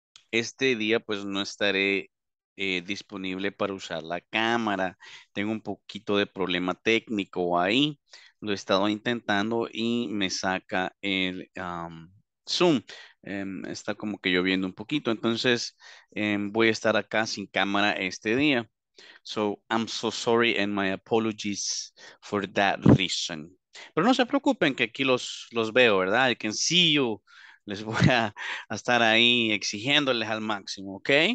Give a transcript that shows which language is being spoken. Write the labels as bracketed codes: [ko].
[es] Este día, pues, no estaré disponible para usar la cámara. Tengo un poquito de problema técnico ahí. Lo he estado intentando y me saca el Zoom. Está como que lloviendo un poquito. Entonces, voy a estar acá sin cámara este día. [en] So, I'm so sorry and my apologies for that reason. [es] Pero no se preocupen que aquí los veo, ¿verdad? [en] I can see you. [es] Les voy a estar ahí exigiéndoles al máximo, ¿ok?